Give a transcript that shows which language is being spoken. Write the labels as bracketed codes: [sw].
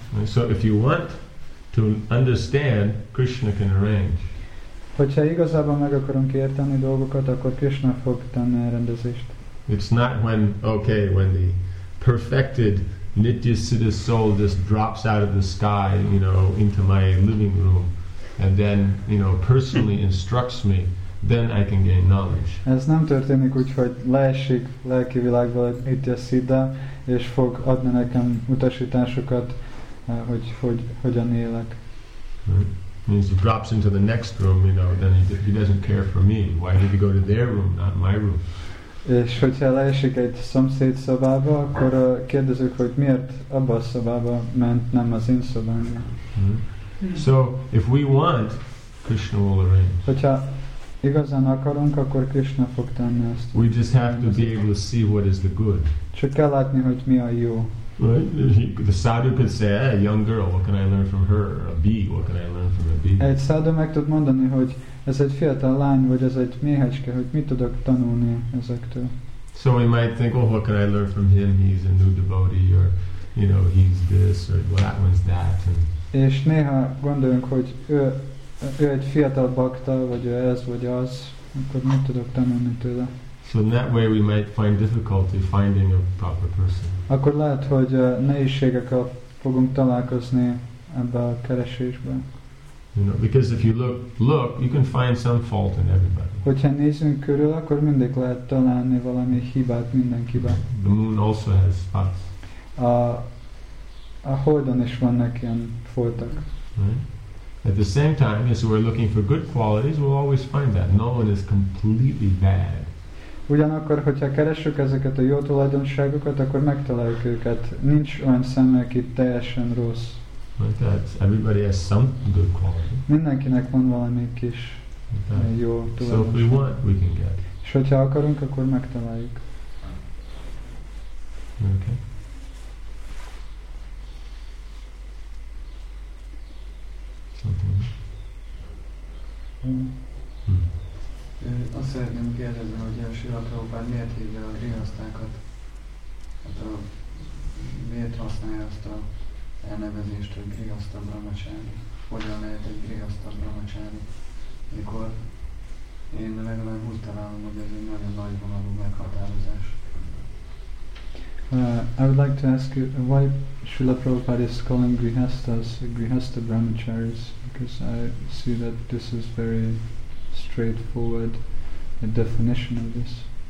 [en] So if you want to understand, Krishna can arrange. [hu] Hogyha igazából meg akarunk érteni dolgokat, akkor Krishna fog tenni rendezést. [en] It's not when the perfected nityasiddha soul just drops out of the sky, you know, into my living room and then, you know, personally instructs me, then I can gain knowledge. [hu] Ez nem történik úgy, hogy leesik lelki világból egy nityasiddha és fog adni nekem utasításokat, hogy hogyan élek. [en] Means he drops into the next room, you know, then he doesn't care for me. Why did he go to their room, not my room? [hu] És hogyha leesik egy szomszéd szobába, akkor kérdezzük, hogy miért abba a szobába ment, nem az én szobámba. [en] So, if we want, Krishna will arrange. [hu] Hogyha igazán akarunk, akkor Krishna fog tenni ezt. [en] We just have to be able to see what is the good. [hu] Csak kell látni, hogy mi a jó. [en] Right? The sadhu could say, hey, a young girl, what can I learn from her? A bee, what can I learn from a bee? [hu] Egy sadhu meg tud mondani, hogy ez egy fiatal lány, vagy ez egy méhecske, hogy mit tudok tanulni ezektől. [en] So we might think, oh, what can I learn from him? He's a new devotee, or, you know, he's this, or that one's that. And [hu] és néha gondolunk, hogy ő egy fiatal bakta, vagy ő ez, vagy az, akkor mit tudok tanulni tőle. [en] So in that way we might find difficulty finding a proper person. [hu] Akkor lehet, hogy nehézségekkel fogunk találkozni ebbe a keresésben. [en] You know, because if you look, you can find some fault in everybody. [hu] Hogyha nézünk körül, akkor mindig lehet találni valami hibát mindenkiben. [en] The moon also has spots. [hu] A holdon is vannak ilyen foltak. [en] Right? At the same time, as we're looking for good qualities, we'll always find that. No one is completely bad. [hu] Ugyanakkor, hogyha keressük ezeket a jó tulajdonságokat, akkor megtaláljuk őket. Nincs olyan személy, aki teljesen rossz. [en] Like that. Everybody has some good quality. [hu] Mindenkinek van valami kis jó tulajdonság. [en] So if we want, we can get. [hu] És hogyha akarunk, akkor megtaláljuk. [en] Okay. [hu] Azt szeretném kérdezni, hogy Srila Prabhupada miért hívja a grihasztákat? Hát miért használja azt a elnevezést, hogy grihaszta brahmacsári? Hogyan lehet egy grihaszta brahmacsári? Mikor én legalább úgy találom, hogy ez egy nagyon nagy vonalú meghatározás. [en] I would like to ask you, why Srila Prabhupada is calling grihasthas grihasta brahmacharis? Because I see that this is very straightforward a definition of this.